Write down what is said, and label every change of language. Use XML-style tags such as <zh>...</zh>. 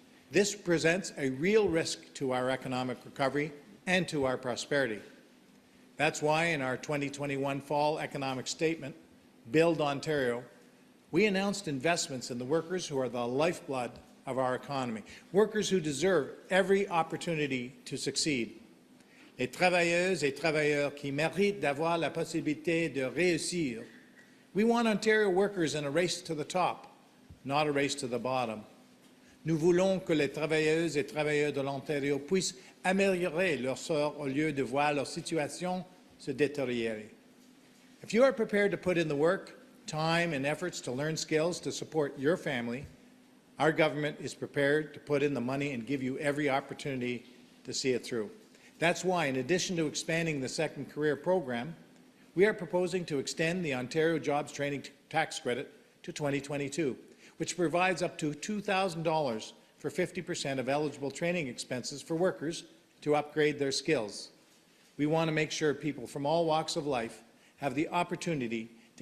<en>This presents a real risk to our economic recovery and to our prosperity. That's why in our 2021 fall economic statement, Build Ontario, we announced investments in the workers who are the lifeblood of our economy, workers who deserve every opportunity to succeed.</en> <fr>Les travailleuses et travailleurs qui méritent d'avoir la possibilité de réussir.</fr> <en>We want Ontario workers in a race to the top, not a race to the bottom.</en> <fr>Nous voulons que les travailleuses et travailleurs de l'Ontario puissent améliorer leur sort au lieu de voir leur situation se détériorer.</fr> <en>If you are prepared to put in the work, time, and efforts to learn skills to support your family, our government is prepared to put in the money and give you every opportunity to see it through. That's why, in addition to expanding the Second Career Program, we are proposing to extend the Ontario Jobs Training Tax Credit to 2022, which provides up to $2,000 for 50% of eligible training expenses for workers to upgrade their skills. We want to make sure people from all walks of life have the opportunity to</en>